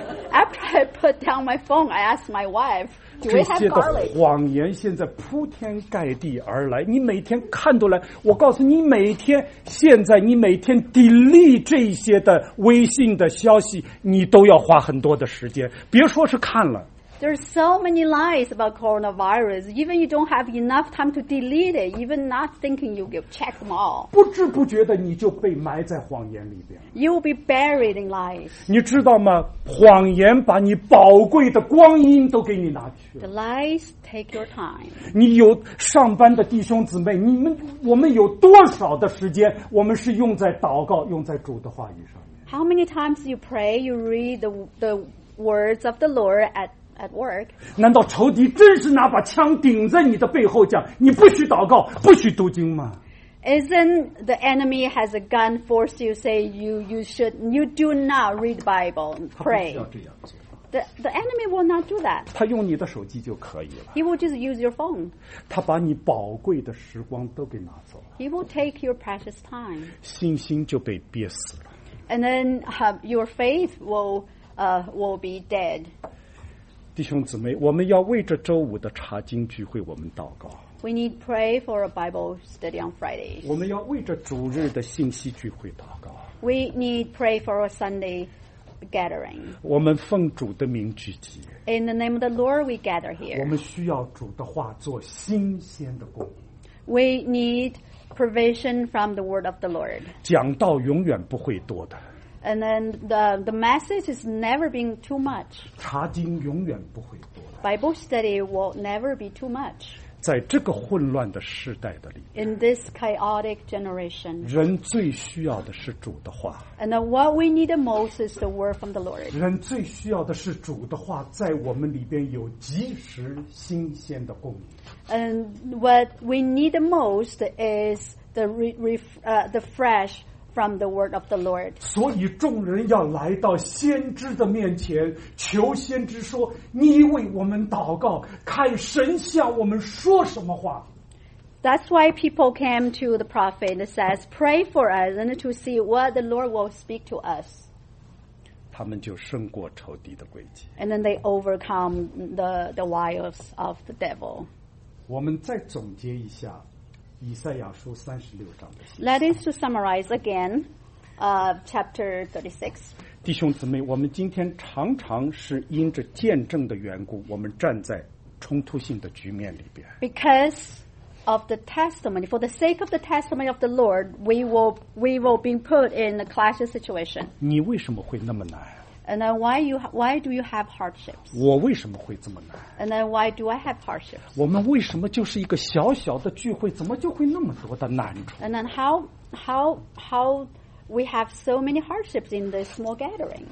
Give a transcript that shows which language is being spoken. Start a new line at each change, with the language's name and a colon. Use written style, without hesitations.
English: After I put down my phone, I asked my wife, "Do we have garlic?"
Chinese: 这些的谎言现在铺天盖地而来。你每天看都来，我告诉你，每天现在你每天 delete 这些的微信的消息，你都要花很多的时间，别说是看了。
English: There's so many lies about coronavirus. Even you don't have enough time to delete it. Even not thinking you will check them all.
Chinese: 不知不觉的你就被埋在谎言里边。
English: You will be buried in lies.
Chinese: 你知道吗？谎言把你宝贵的光阴都给你拿去了。
English: The lies take your time.
Chinese: 你有上班的弟兄姊妹，我们有多少的时间，我们是用在祷告，用在主的话语上面
English: ？How many times you pray, you read the words of the Lord at work.
Chinese: 难道仇敌真是拿把枪顶在你的背后讲你不许祷告不许读经吗
English: Isn't the enemy has a gun forced you say you do not read the Bible pray.
Chinese: 他不需要这样做。
English: The enemy will not do that.
Chinese: 他用你的手机就可以了。
English: He will just use your phone.
Chinese: 他把你宝贵的时光都给拿走了。
English: He will take your precious time.
Chinese: 信心就被憋死了。
English: And then your faith will be dead.
Chinese: 弟兄姊妹，我们要为这周五的查经聚会我们祷告。
English: We need pray for a Bible study on Fridays.
Chinese: 我们要为这主日的信息聚会祷告。
English: We need pray for a Sunday gathering.
Chinese: 我们奉主的名聚集。
English: In the name of the Lord, we gather here.
Chinese: 我们需要主的话做新鲜的供应。
English: We need provision from the word of the Lord.
Chinese: 讲道永远不会多的。
English: And then the message has never been too much.
Chinese: 查经永远不会多的。
English: Bible study will never be too much.
Chinese: 在这个混乱的时代的里面。
English: In this chaotic generation.
Chinese: 人最需要的是主的话。
English: And then what we need the most is the word from the Lord.
Chinese: 人最需要的是主的话，在我们里边有及时新鲜的供应。
English: And what we need the most is the fresh. From the word of the Lord.
Chinese: 所以众人要来到先知的面前，求先知说：“你为我们祷告，看神向我们说什么话。”
English: That's why people came to the prophet and says, pray for us and to see what the Lord will speak to us.
Chinese: 他们就胜过仇敌的诡计。
English: And then they overcome the wiles of the devil.
Chinese: 我们再总结一下以赛亚书三十六章的信息。
English: Let us to summarize again, chapter 36.
Chinese: 弟兄姊妹，我们今天常常是因着见证的缘故，我们站在冲突性的局面里边。
English: Because of the testimony, for the sake of the testimony of the Lord, we will be put in a clashing situation.
Chinese: 你为什么会那么难？
English: And then why do you have hardships?
Chinese: 我为什么会这么难？
English: And then why do I have hardships?
Chinese: 我们为什么就是一个小小的聚会，怎么就会那么多的难处？
English: And then how we have so many hardships in this small gathering?